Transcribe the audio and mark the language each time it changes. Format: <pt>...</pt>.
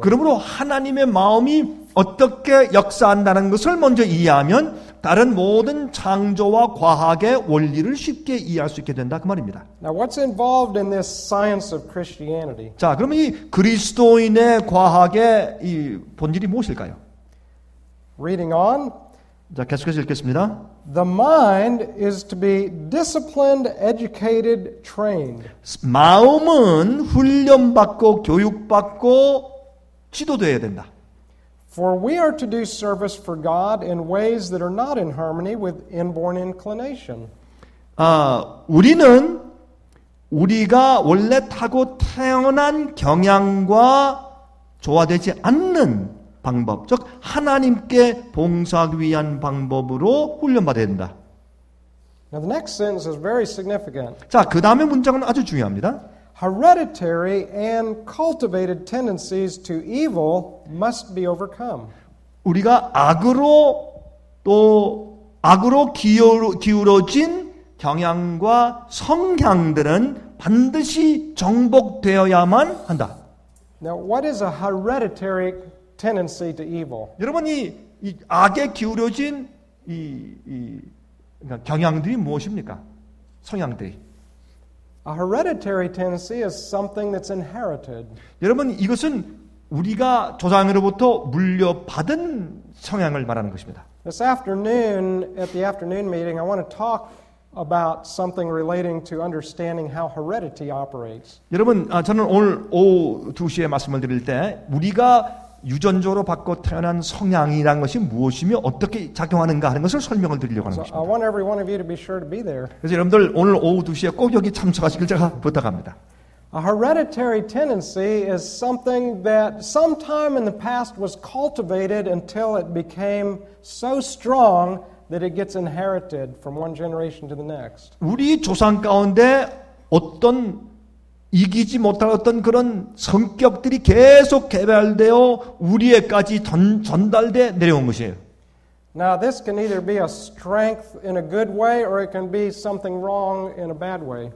<ko>그러므로 하나님의 마음이 어떻게 역사한다는 것을 먼저 이해하면 다른 모든 창조와 과학의 원리를 쉽게 이해할 수 있게 된다 그 말입니다.</ko> <en>Now what's involved in this science of Christianity?</en> <ko>자, 그러면 이 그리스도인의 과학의 이 본질이 무엇일까요?</ko> <en>Reading on.</en> <ko>자, 계속해서 읽겠습니다.</ko> <en>The mind is to be disciplined, educated, trained.</en> <ko>마음은 훈련받고 교육받고 지도되어야 된다.</ko> <en>For we are to do service for God in ways that are not in harmony with inborn inclination.</en> <ko>우리는 우리가 원래 타고 태어난 경향과 조화되지 않는 방법, 즉 하나님께 봉사하기 위한 방법으로 훈련받아야 된다.</ko> <en>Now the next sentence is very significant.</en> <ko>자, 그 다음의 문장은 아주 중요합니다.</ko> <en>Hereditary and cultivated tendencies to evil must be overcome.</en> <ko>우리가 악으로 또 악으로 기울어진 경향과 성향들은 반드시 정복되어야만 한다.</ko> <en>Now what is a hereditary tendency to evil.</en> <ko>여러분, 이 악에 기울어진 이 그러니까 경향들이 무엇입니까? 성향들이.</ko> <en>A hereditary tendency is something that's inherited.</en> <ko>여러분, 이것은 우리가 조상으로부터 물려받은 성향을 말하는 것입니다.</ko> <en>This afternoon at the afternoon meeting, I want to talk about something relating to understanding how heredity operates.</en> <ko>여러분, 저는 오늘 오후 2시에 말씀을 드릴 때 우리가 유전적으로 받고 태어난 성향이란 것이 무엇이며 어떻게 작용하는가 하는 것을 설명을 드리려고 하는 것입니다.</ko> <en>I want every one of you to be sure to be there.</en> <ko>그래서 여러분들 오늘 오후 2시에 꼭 여기 참석하시길 제가 부탁합니다.</ko> <en>A hereditary tendency is something that sometime in the past was cultivated until it became so strong that it gets inherited from one generation to the next.</en> <ko>우리 조상 가운데 어떤 이기지 못할 어떤 그런 성격들이 계속 개발되어 우리에까지 전달돼 내려온 것이에요.</ko> <en>Now this can either be a strength in a good way or it can be something wrong in a bad way.</en>